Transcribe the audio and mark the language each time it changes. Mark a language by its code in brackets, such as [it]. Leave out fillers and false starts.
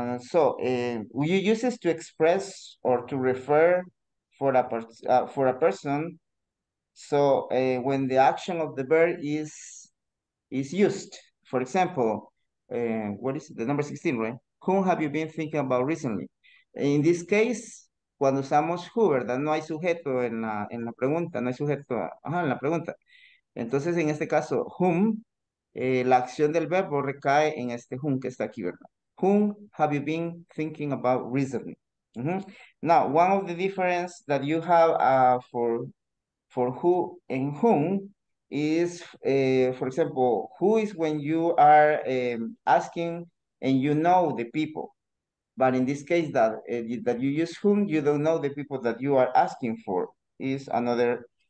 [en] So we use this to express or to refer for a person. So when the action of the verb is used, for example, what is it? The number 16, right? Whom have you been thinking about recently? In this case, [es] cuando usamos who, ¿verdad? No hay sujeto en la pregunta, no hay sujeto en la pregunta. Entonces, en este caso, whom, la acción del verbo recae en este whom que está aquí, ¿verdad? [en] Whom have you been thinking about recently? Mm-hmm. Now, one of the differences that you have for who and whom is, for example, who is when you are asking and you know the people. But in this case, that you use whom, you don't know the people that you are asking for is another.